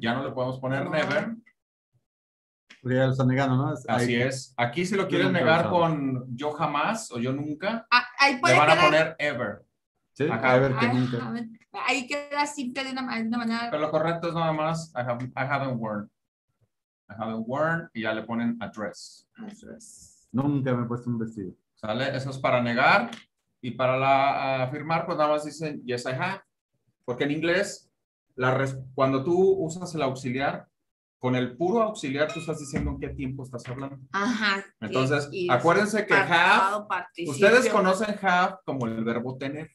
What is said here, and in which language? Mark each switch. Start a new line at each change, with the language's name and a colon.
Spanish: Ya no le podemos poner never. Porque ya lo están negando, ¿no? Así es. Aquí si lo quieren negar con yo jamás o yo nunca, le van a poner ever. Sí, acá, ever que nunca. Ahí queda simple de una manera. Pero lo correcto es nada más
English: I haven't worn. I haven't worn
Spanish: y ya le ponen address. Nunca me he puesto un vestido. ¿Sale? Eso es para negar. Y para la afirmar, pues nada más dicen
English: yes, I have.
Spanish: Porque en inglés, cuando tú usas el auxiliar, con el puro auxiliar tú estás diciendo en qué tiempo estás hablando. Ajá. Entonces, acuérdense que have, ustedes conocen have como el verbo tener.